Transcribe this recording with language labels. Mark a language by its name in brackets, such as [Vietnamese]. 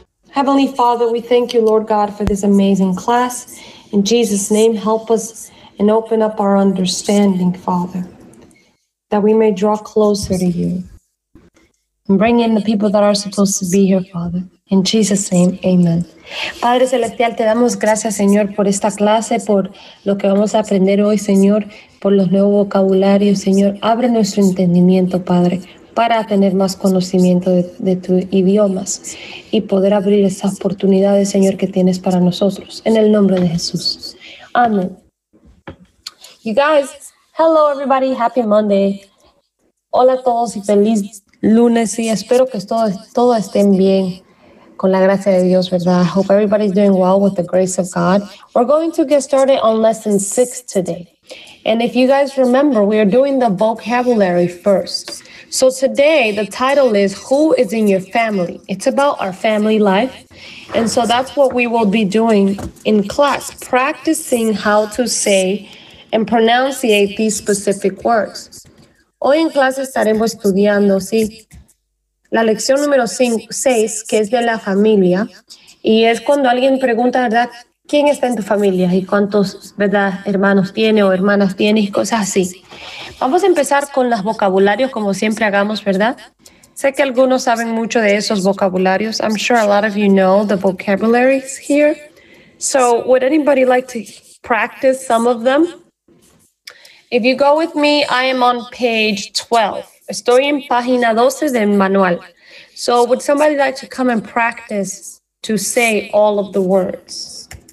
[English] Heavenly Father, we thank you, Lord God, for this amazing class. In Jesus' name, help us and open up our understanding, Father, that we may draw closer to you and bring in the people that are supposed to be here, Father. In Jesus' name, amen. [Spanish] Padre Celestial, te damos gracias, Señor, por esta clase, por lo que vamos a aprender hoy, Señor, por los nuevos vocabularios. Señor, abre nuestro entendimiento, Padre, para tener más conocimiento de tus idiomas y poder abrir esas oportunidades, Señor, que tienes para nosotros. En el nombre de Jesús. Amén. [English] You guys, hello everybody, happy Monday. [Spanish] Hola a todos y feliz lunes. Y espero que todo estén bien con la gracia de Dios, ¿verdad? [English] I hope everybody's doing well with the grace of God. We're going to get started on lesson 6 today. And if you guys remember, we are doing the vocabulary first. So today, the title is, Who is in Your Family? It's about our family life. And so that's what we will be doing in class, practicing how to say and pronunciate these specific words. [Spanish] Hoy en clase estaremos estudiando, ¿sí? La lección número 6, que es de la familia. Y es cuando alguien pregunta, ¿verdad? ¿Quién está en tu familia? ¿Y cuántos, verdad, hermanos tiene o hermanas tiene? Y cosas así. Vamos a empezar con los vocabularios, como siempre hagamos, ¿verdad? Sé que algunos saben mucho de esos vocabularios. [English] I'm sure a lot of you know the vocabularies here. So, would anybody like to practice some of them? If you go with me, I am on page 12. [Spanish] Estoy en página 12 del manual. [English] So, would somebody like to come and practice to say all of the words?